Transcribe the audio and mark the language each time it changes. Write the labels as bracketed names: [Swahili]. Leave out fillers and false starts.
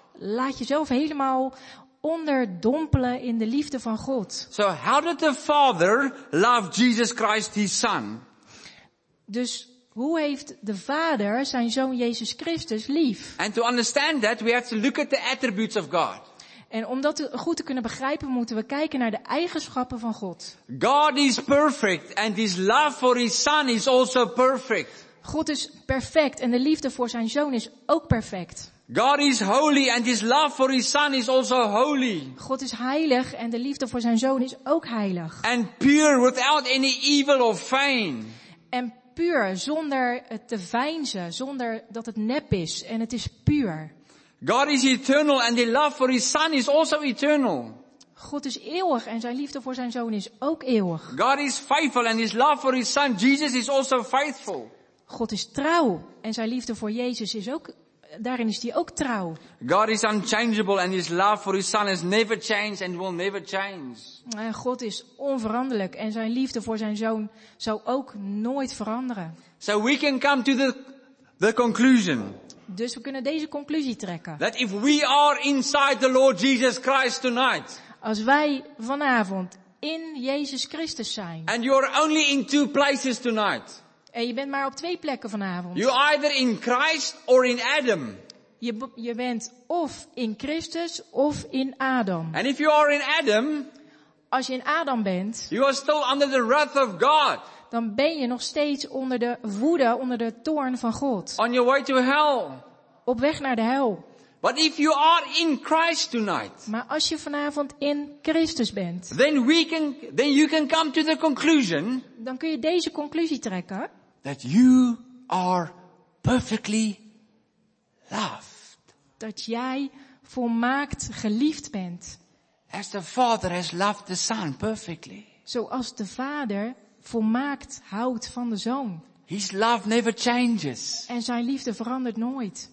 [Dutch] Laat jezelf helemaal onderdompelen in de liefde van God. [English] So how did the Father love Jesus Christ, his son? [Dutch] Dus Hoe heeft de Vader zijn Zoon Jezus Christus lief? [English] And to understand that, we have to look at the attributes of God. [Dutch] En om dat goed te kunnen begrijpen, moeten we kijken naar de eigenschappen van God. [English] God is perfect, and His love for His Son is also perfect. [Dutch] God is perfect en de liefde voor zijn Zoon is ook perfect. [English] God is holy and His love for His Son is also holy. [Dutch] God is heilig en de liefde voor zijn Zoon is ook heilig. [English] And pure without any evil or fijn. [Dutch] En puur zonder het te veinzen, zonder dat het nep is en het is puur. [English] God is eternal and His love for His Son is also eternal. [Dutch] God is eeuwig en zijn liefde voor zijn Zoon is ook eeuwig. [English] God is faithful and His love for His Son Jesus is also faithful. [Dutch] God is trouw en zijn liefde voor Jezus is ook, daarin is hij ook trouw. [English] God is unchangeable and His love for His Son has never changed and will never change. [Dutch] En God is onveranderlijk en zijn liefde voor zijn Zoon zou ook nooit veranderen. [English] So we can come to the conclusion. [Dutch] Dus we kunnen deze conclusie trekken. [English] That if we are inside the Lord Jesus Christ tonight. [Dutch] Als wij vanavond in Jezus Christus zijn. [English] And you are only in two places tonight. [Dutch] En je bent maar op twee plekken vanavond. [English] You either in Christ or in Adam. [Dutch] Je bent of in Christus of in Adam. [English] And if you are in Adam, [Dutch] als je in Adam bent, [English] you are still under the wrath of God. [Dutch] Dan ben je nog steeds onder de woede, onder de toorn van God. [English] On your way to hell. [Dutch] Op weg naar de hel. [English] But if you are in Christ tonight, [Dutch] maar als je vanavond in Christus bent, [English] then you can come to the conclusion, [Dutch] dan kun je deze conclusie trekken, [English] that you are perfectly loved. [Dutch] Dat jij volmaakt geliefd bent. [English] As the Father has loved the Son perfectly. [Dutch] Zoals de Vader volmaakt houdt van de Zoon. [English] His love never changes. [Dutch] En zijn liefde verandert nooit.